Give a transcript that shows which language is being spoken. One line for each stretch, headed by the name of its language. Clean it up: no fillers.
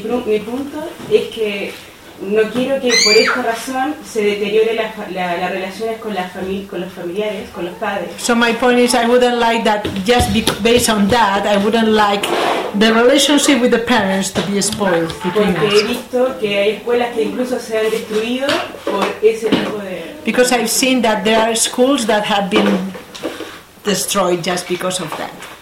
Spanish: Mi punto es que no quiero que por esta razón se deteriore las relaciones con los familiares, con los padres.
English: So my point is, I wouldn't like that. Just based on that, I wouldn't like the relationship with the parents to be spoiled.
Spanish: Porque he visto que hay escuelas que incluso se han destruido por ese tipo de.
English: Because I've seen that there are schools that have been destroyed just because of that.